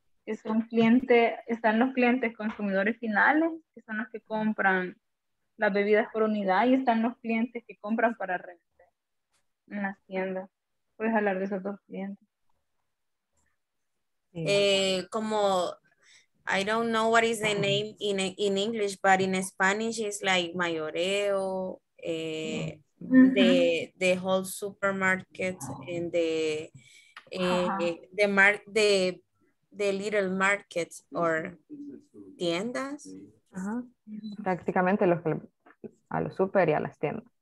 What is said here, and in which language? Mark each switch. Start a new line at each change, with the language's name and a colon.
Spanish: es un cliente, están los clientes consumidores finales, que son los que compran las bebidas por unidad, y están los clientes que compran para revender en las tiendas? ¿Puedes hablar de esos dos clientes?
English: Como, I don't know what is the name in English, but in Spanish it's like mayoreo, the whole supermarket, and the little markets or tiendas. Uh-huh.
Spanish: Prácticamente los, a los super y a las tiendas.